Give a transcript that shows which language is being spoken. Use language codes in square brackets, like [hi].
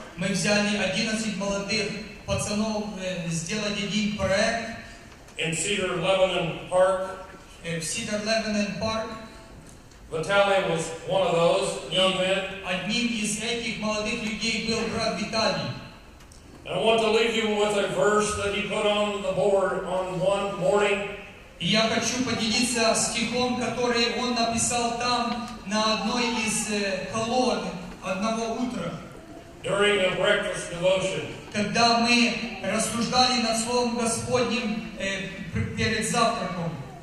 [ru] Мы взяли 11 молодых пацанов сделать один проект. [en] In Cedar Lebanon Park. [ru] В Cedar Lebanon Park. [en] Vitaly was one of those young men. [ru] Одним из этих молодых людей был брат Виталий. [en] And I want to leave you with a verse that he put on the board on one morning. [ru] И я хочу поделиться стихом, который он написал там на одной из колонок одного утра. [en] during the breakfast devotion. [ru] Когда мы рассуждали над Словом Господним перед завтраком.